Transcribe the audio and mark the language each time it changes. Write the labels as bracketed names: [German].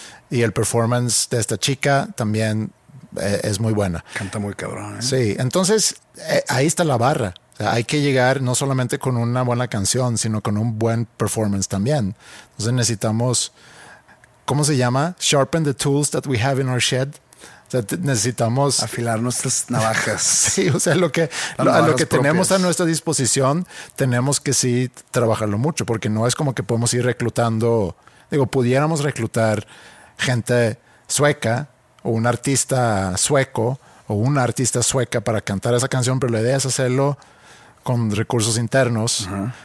[Spanish] Y el performance de esta chica también es muy buena. Canta muy cabrón, ¿eh? Sí, entonces ahí está la barra. Hay que llegar no solamente con una buena canción, sino con un buen performance también. Entonces necesitamos, ¿cómo se llama? [English] Sharpen the tools that we have in our shed. [Spanish] O sea, necesitamos afilar nuestras navajas. Sí, o sea, lo que tenemos a nuestra disposición, tenemos que sí trabajarlo mucho, porque no es como que podemos ir reclutando. Digo, pudiéramos reclutar gente sueca o un artista sueco o una artista sueca para cantar esa canción, pero la idea es hacerlo con recursos internos. Uh-huh.